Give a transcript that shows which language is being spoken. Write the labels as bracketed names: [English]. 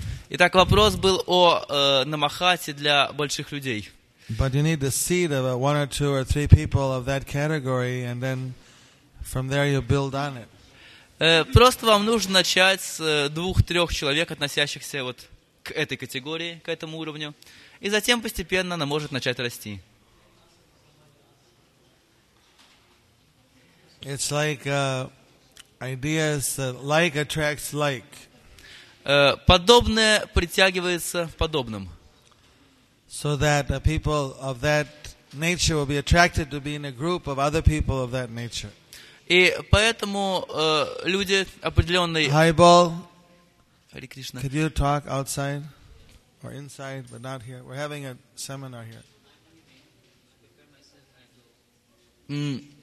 [Russian] Итак, вопрос был о намахате для больших людей. [English] But you need the seed of one or two or three people of that category, and then from there you build on it. [Russian] Просто вам нужно начать с двух-трех человек, относящихся вот к этой категории, к этому уровню. И затем постепенно она может начать расти. [English] It's like ideas that like attracts like. [Russian] Подобное притягивается подобным. [English] So that people of that nature will be attracted to be in a group of other people of that nature. [Russian] И поэтому люди определенной. [English] Hi, Ball. [Sanskrit] Hare Krishna. [English] Could you talk outside? Or inside, but not here. We're having a seminar here.